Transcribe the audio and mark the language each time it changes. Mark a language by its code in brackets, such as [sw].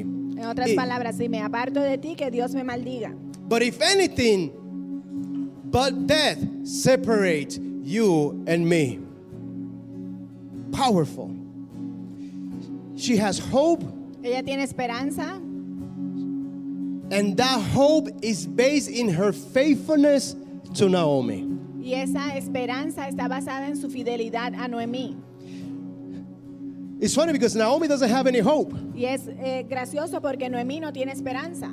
[es] En otras palabras, si me aparto de ti, que Dios me maldiga. [en] But if anything but death separate you and me. Powerful. She has hope. [es] Ella tiene esperanza. [en] And that hope is based in her faithfulness to Naomi. [es] Y esa esperanza está basada en su fidelidad a Noemí. [en] It's funny because Naomi doesn't have any hope. [es] Y es gracioso porque Noemí no tiene esperanza.